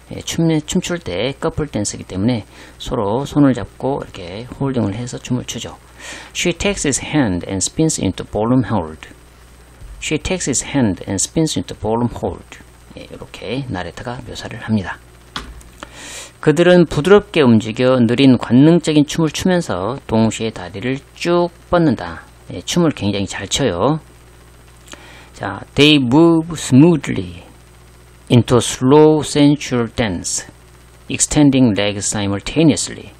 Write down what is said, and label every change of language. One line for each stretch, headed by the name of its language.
Korean: 예, 춤출 때 커플 댄스이기 때문에 서로 손을 잡고 이렇게 holding을 해서 춤을 추죠.
English: She takes his hand and spins into ballroom hold. She takes his hand and spins into ballroom hold.
Korean: 예, 이렇게 나레이터가 묘사를 합니다. 그들은 부드럽게 움직여 느린 관능적인 춤을 추면서 동시에 다리를 쭉 뻗는다. 예, 춤을 굉장히 잘 춰요. 자,
English: they move smoothly into a slow sensual dance, extending legs simultaneously.